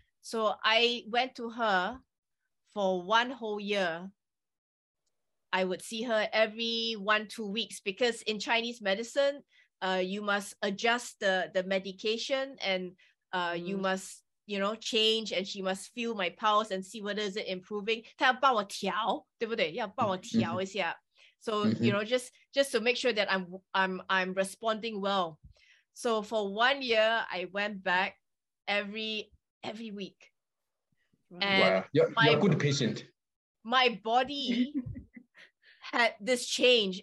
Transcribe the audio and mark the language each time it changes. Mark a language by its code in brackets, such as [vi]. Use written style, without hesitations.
[en] So I went to her for one whole year. I would see her every 1-2 weeks, because in Chinese medicine, you must adjust the medication, and you must, you know, change, and she must feel my pulse and see whether is it improving. [zh] 她要帮我调,对不对?要帮我调一下。 [en] So, mm-hmm. you know, just to make sure that I'm responding well. So for 1 year, I went back every week. And wow, you're a good patient. My body had this change.